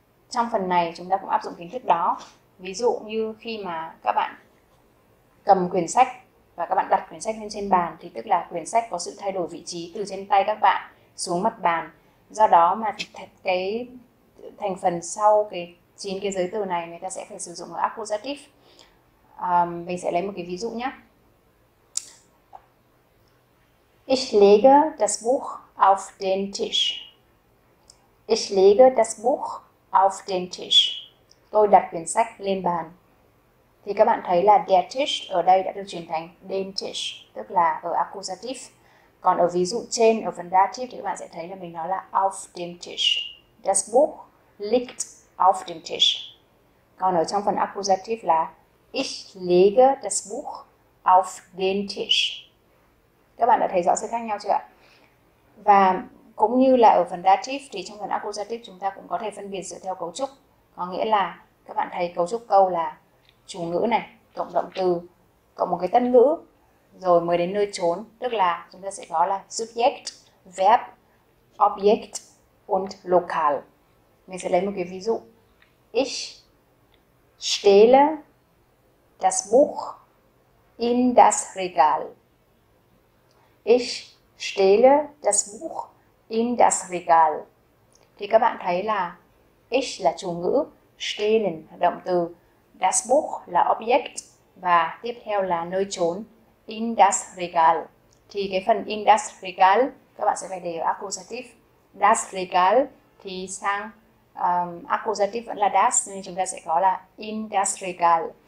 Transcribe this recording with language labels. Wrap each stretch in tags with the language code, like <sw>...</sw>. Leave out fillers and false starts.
<vi>Trong phần này chúng ta cũng áp dụng kiến thức đó. Ví dụ như khi mà các bạn cầm quyển sách và các bạn đặt quyển sách lên trên bàn thì tức là quyển sách có sự thay đổi vị trí từ trên tay các bạn xuống mặt bàn. Do đó mà cái thành phần sau cái chín cái giới từ này người ta sẽ phải sử dụng ở accusative. Mình sẽ lấy một cái ví dụ nhé.</vi> <de>Ich lege das Buch auf den Tisch. Ich lege das Buch auf den Tisch.</de> <vi>Tôi đặt quyển sách lên bàn. Thì các bạn thấy là der Tisch ở đây đã được chuyển thành den Tisch, tức là ở accusative. Còn ở ví dụ trên ở phần dative thì các bạn sẽ thấy là mình nói là auf dem Tisch.</vi> <de>Das Buch liegt auf dem Tisch.</de> <vi>Còn ở trong phần accusative là</vi> <de>Ich lege das Buch auf den Tisch.</de> <vi>Các bạn đã thấy rõ sự khác nhau chưa ạ? Và cũng như là ở phần dative thì trong phần accusative chúng ta cũng có thể phân biệt dựa theo cấu trúc. Có nghĩa là các bạn thấy cấu trúc câu là chủ ngữ này, cộng động từ, cộng một cái tân ngữ, rồi mới đến nơi chốn. Tức là chúng ta sẽ có là subject, verb, object und Lokal. Mình sẽ lấy một cái ví dụ.</vi> <de>Ich stelle das Buch in das Regal. Ich stelle das Buch in das Regal.</de> <vi>Thì các bạn thấy là ich là chủ ngữ, stehlen là động từ, das Buch là object và tiếp theo là nơi chốn, in das Regal. Thì cái phần in das Regal các bạn sẽ phải để ở accusative. Das Regal thì sang accusative vẫn là das nên chúng ta sẽ có là in das Regal.</vi>